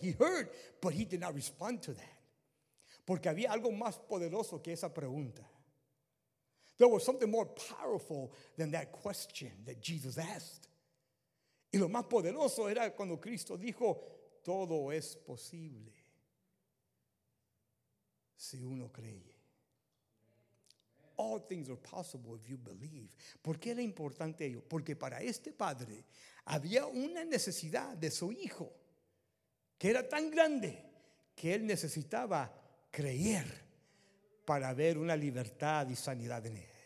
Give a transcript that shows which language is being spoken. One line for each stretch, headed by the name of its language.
English: He heard, but he did not respond to that.
Spanish: Porque había algo más poderoso que esa pregunta.
English: There was something more powerful than that question that Jesus asked.
Spanish: Y lo más poderoso era cuando Cristo dijo, todo es posible si uno cree.
English: All things are possible if you believe.
Spanish: ¿Por qué era importante ello? Porque para este padre había una necesidad de su hijo que era tan grande que él necesitaba creer para ver una libertad y sanidad en él.